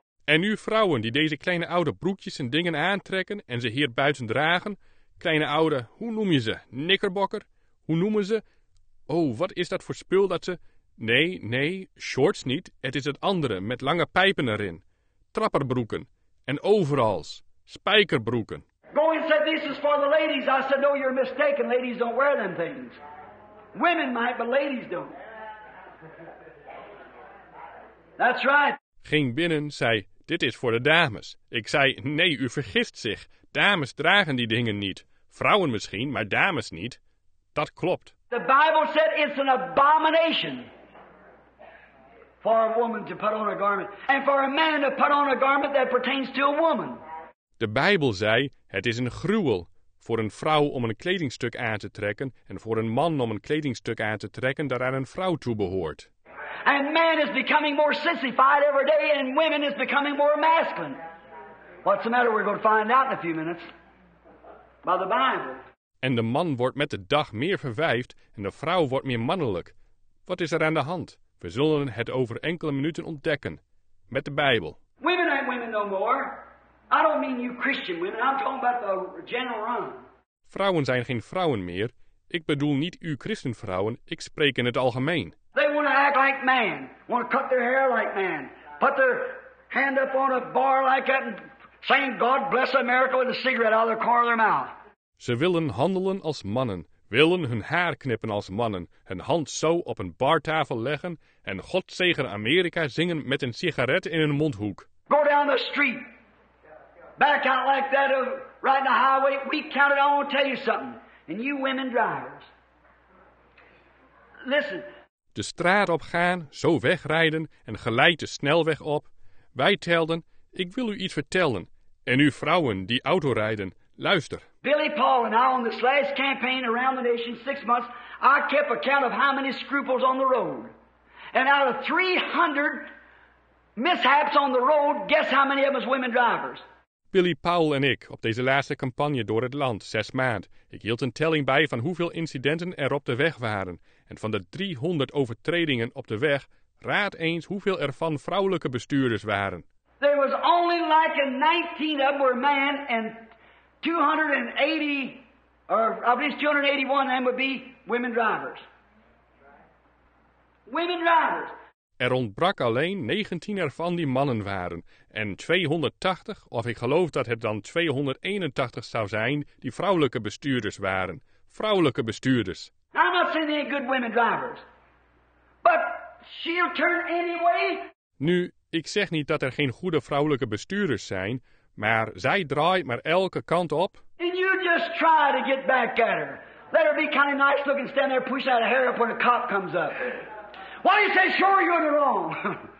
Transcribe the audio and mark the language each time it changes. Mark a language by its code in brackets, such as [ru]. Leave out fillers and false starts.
[nl] En nu vrouwen die deze kleine oude broekjes en dingen aantrekken en ze hier buiten dragen... Kleine oude, hoe noem je ze? Knickerbocker? Hoe noemen ze? Oh, wat is dat voor spul dat ze... Nee, nee, shorts niet. Het is het andere met lange pijpen erin. Trapperbroeken. En overalls. Spijkerbroeken. [en] Go and say this is for the ladies. I said, no, you're mistaken. Ladies don't wear them things. Women might, but ladies don't. That's right. [nl] Ging binnen, zei, dit is voor de dames. Ik zei, nee, u vergist zich. Dames dragen die dingen niet. Vrouwen misschien, maar dames niet. Dat klopt. [en] The Bible said it's an abomination for a woman to put on a garment and for a man to put on a garment that pertains to a woman. [nl] De Bijbel zei, het is een gruwel voor een vrouw om een kledingstuk aan te trekken en voor een man om een kledingstuk aan te trekken dat aan een vrouw toebehoort. [en] And man is becoming more sissified every day and women is becoming more masculine. What's the matter? We're going to find out in a few minutes by the Bible. [nl] En de man wordt met de dag meer verwijfd en de vrouw wordt meer mannelijk. Wat is er aan de hand? We zullen het over enkele minuten ontdekken. Met de Bijbel. [en] Women ain't women no more. I don't mean you Christian women. I'm talking about the general run. [nl] Vrouwen zijn geen vrouwen meer. Ik bedoel niet u christenvrouwen. Ik spreek in het algemeen. [en] They want to act like man. Want to cut their hair like man. Put their hand up on a bar like that and saying God bless America with a cigarette out of the corner of their mouth. [nl] Ze willen handelen als mannen, willen hun haar knippen als mannen, hun hand zo op een bartafel leggen en God zegen Amerika zingen met een sigaret in hun mondhoek. [en] Go down the street, back out like that, right in the highway, we count it, I want to tell you something. And you women drivers, listen. [nl] De straat op gaan, zo wegrijden en geleid de snelweg op. Wij telden, ik wil u iets vertellen. En u vrouwen die auto rijden, luister. [en] Billy Paul and I on this last campaign around the nation, 6 months, I kept a count of how many scruples on the road. And out of 300 mishaps on the road, guess how many of them was women drivers? [nl] Billy Paul en ik op deze laatste campagne door het land, 6 maanden. Ik hield een telling bij van hoeveel incidenten er op de weg waren. En van de 300 overtredingen op de weg, raad eens hoeveel er van vrouwelijke bestuurders waren. [en] There was only like a 19 of them were men and 281 would be women drivers. Women drivers. [nl] Er ontbrak alleen 19 ervan die mannen waren en 280, of ik geloof dat het dan 281 zou zijn, die vrouwelijke bestuurders waren. Vrouwelijke bestuurders. [en] I'm not saying they're good women drivers, but she'll turn anyway. [nl] Nu, ik zeg niet dat er geen goede vrouwelijke bestuurders zijn. Maar zij draait maar elke kant op. [en] And you just try to get back at her. Let her be kind of nice looking, stand there, push out her hair up when a cop comes up. Why do you say sure you're in the wrong?